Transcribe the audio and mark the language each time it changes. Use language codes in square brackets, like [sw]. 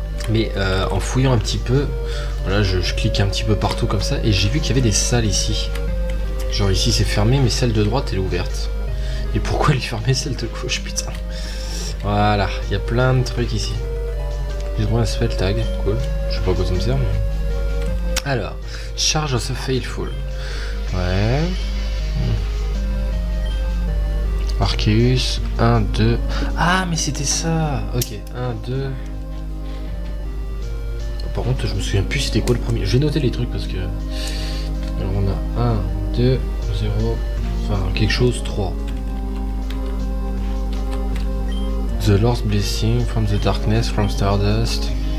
[fr] Mais en fouillant un petit peu, voilà, je clique un petit peu partout comme ça, et j'ai vu qu'il y avait des salles ici. Genre ici c'est fermé, mais celle de droite elle est ouverte. Et pourquoi elle est fermée celle de gauche, putain. Voilà, il y a plein de trucs ici. J'ai droit à un spell tag, cool. Je sais pas quoi ça me sert, mais... Alors, [en] charge of the faithful. [fr] Ouais. Arceus, 1, 2... Ah, mais c'était ça. Ok, 1, 2... Par contre, je me souviens plus c'était quoi le premier. J'ai noté les trucs parce que... Alors on a 1, 2, 0, enfin quelque chose, 3. [en] The Lord's Blessing from the Darkness, from Stardust.